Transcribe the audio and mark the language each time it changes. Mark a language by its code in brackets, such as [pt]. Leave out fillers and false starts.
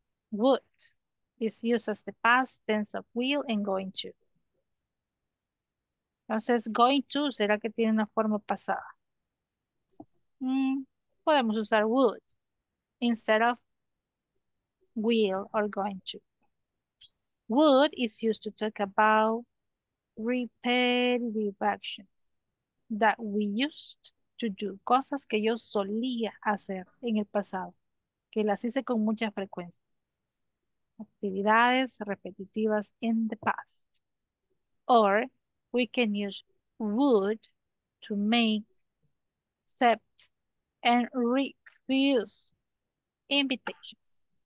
[en] Would is used as the past tense of will and going to. [es] Entonces, going to, ¿será que tiene una forma pasada? Podemos usar [en] would instead of will or going to. Would is used to talk about repetitive actions that we used to do. [es] Cosas que yo solía hacer en el pasado, que las hice con mucha frecuencia. Actividades repetitivas [en] in the past. Or we can use would to make, accept, and refuse invitations.